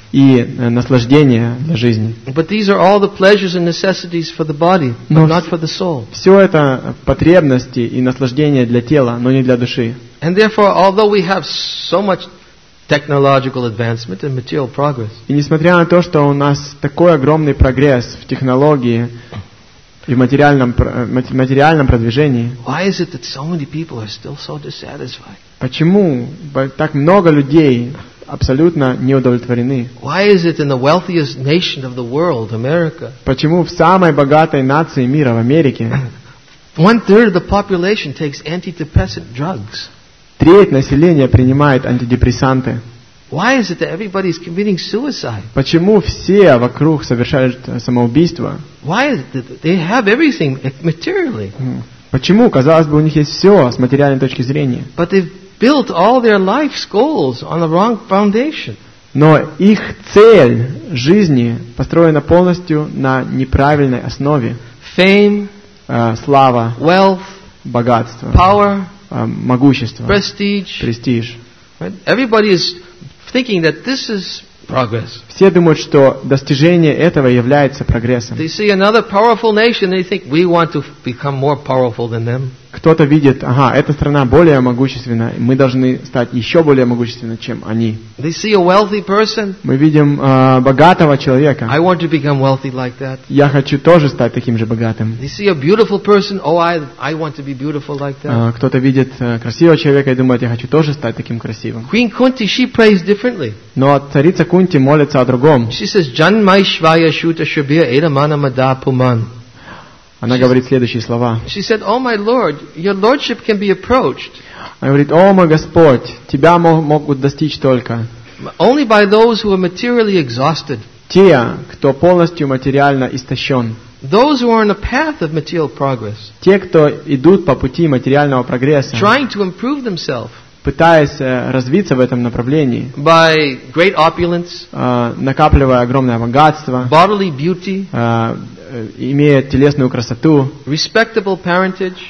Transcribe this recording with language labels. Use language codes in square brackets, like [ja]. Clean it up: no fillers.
[ru] И наслаждения для жизни. [en] But these are all the pleasures and necessities for the body, but not for the soul. [ru] Все это потребности и наслаждения для тела, но не для души. [en] And therefore, although we have so much technological advancement and material progress. [ru] И несмотря на то, что у нас такой огромный прогресс в технологии и в материальном продвижении, [en] why is it that so many people are still so dissatisfied? [ru] Почему так много людей абсолютно не удовлетворены? [en] Why is it in the wealthiest nation of the world, America? [ru] Почему в самой богатой нации мира, в Америке, [en] one third of the population takes antidepressant drugs? [ru] Треть населения принимает антидепрессанты. [en] Why is it that everybody is committing suicide? [ru] Почему все вокруг совершают самоубийство? [en] Why is it that they have everything materially? [ru] Почему, казалось бы, у них есть все с материальной точки зрения? [en] But they've built all their life's goals on the wrong foundation. [ru] Но их цель жизни построена полностью на неправильной основе. [en] Fame, [ru] слава, [en] wealth, [ru] богатство, [en] power, [ru] могущество, престиж. [en] Everybody is thinking that this is progress. [ru] Все думают, что достижение этого является прогрессом. [en] They see another powerful nation, they think we want to become more powerful than them. [ru] Кто-то видит, ага, эта страна более могущественна, мы должны стать еще более могущественны, чем они. [en] They see a wealthy person. [ru] Мы видим богатого человека. [en] I want to become wealthy like that. [ru] Я хочу тоже стать таким же богатым. [en] They see a beautiful person. Oh, I want to be beautiful like that. [ru] Кто-то видит красивого человека и думает, я хочу тоже стать таким красивым. [en] Queen Kunti, she prays differently. [ru] Но царица Кунти молится о другом. [en] She says, [sa] "Janmaishvaya shuta shubhya edamana madapuman." [ru] Она говорит следующие слова. [en] She said, "Oh my Lord, your lordship can be approached." [ru] Она говорит, о мой Господь, тебя могут достичь только. [en] Only by those who are materially exhausted. [ru] Те, кто полностью материально истощен. [en] Those who are on a path of material progress. [ru] Те, кто идут по пути материального прогресса. [en] Trying to improve themselves. [ru] Пытаясь развиться в этом направлении. [en] By great opulence. [ru] Накапливая огромное богатство. [en] Bodily beauty. [ru] Имея телесную красоту, [en] respectable parentage,